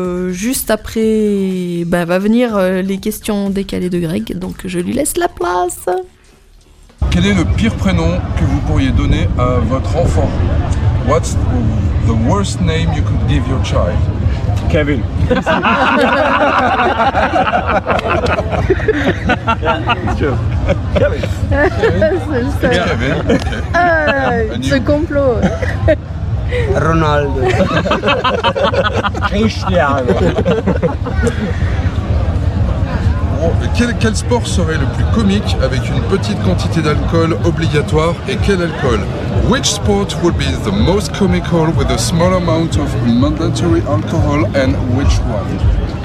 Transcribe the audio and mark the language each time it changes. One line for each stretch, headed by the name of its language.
French: Juste après, va venir les questions décalées de Greg, donc je lui laisse la place. Quel est le pire prénom que vous pourriez donner à votre enfant?
English: What's the worst name you could give your child?
French: Kevin. Kevin. C'est Kevin. Ce complot. Ronaldo. Cristiano. Quel sport serait le plus comique avec une petite quantité d'alcool obligatoire et quel alcool?
English: Which sport would be the most comical with a small amount of mandatory alcohol and which one?